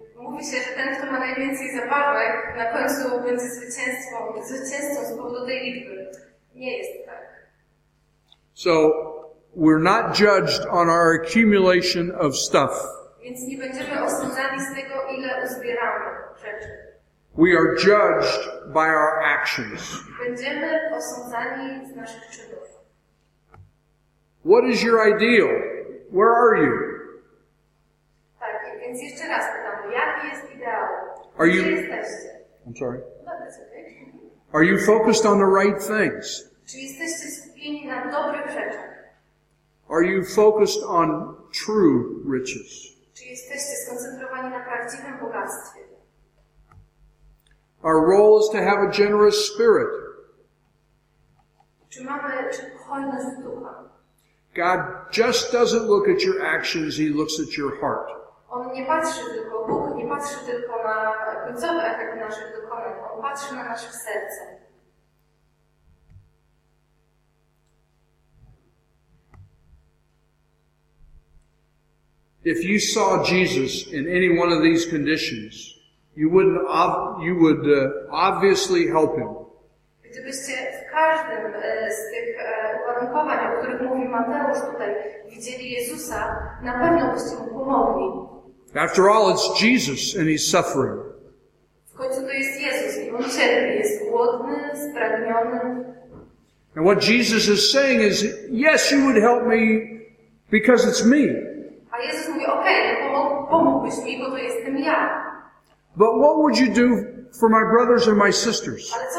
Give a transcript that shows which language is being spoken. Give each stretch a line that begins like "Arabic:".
Polish: Myślę, że ten, kto ma najwięcej zabawek, na końcu będzie zwycięzcą z powodu tej liczby. Nie jest tak.
English: So, we're not judged on our accumulation of stuff.
Polish: Więc nie będziemy osądzani z tego, ile uzbieramy rzeczy.
English: We are judged by our actions.
Polish: Będziemy osądzani z naszych czynów.
English: What is your ideal? Where are you?
Polish: Tak, więc jeszcze raz pytam. Jaki jest ideał?
English: Are you?
Polish: Jesteście?
English: I'm sorry. No, that's okay. Are you focused on the right things?
Polish: Czy jesteście skupieni na dobrych rzeczach?
English: Are you focused on true riches?
Polish: Czy jesteście skoncentrowani na prawdziwym bogactwie?
English: Our role is to have a generous spirit.
Polish: Czy hojność ducha?
English: God just doesn't look at your actions; He looks at your heart.
Polish: On nie patrzy tylko, Bóg nie patrzy tylko na końcowy efekt naszych dokonań. On patrzy na nasze serce.
English: If you saw Jesus in any one of these conditions, you would obviously help him.
Polish: Gdybyście w każdym z tych uwarunkowań, o których mówi Mateusz tutaj, widzieli Jezusa, na pewno byście mu pomogli.
English: After all, it's Jesus and he's suffering.
Polish: W końcu to jest Jezus i on cierpi, jest głodny, spragniony.
English: And what Jesus is saying is, yes, you would help me because it's me.
Polish: A Jezus mówi, okej, pomógłbyś mi, bo to jestem ja.
English: But what would you do for my brothers and my sisters?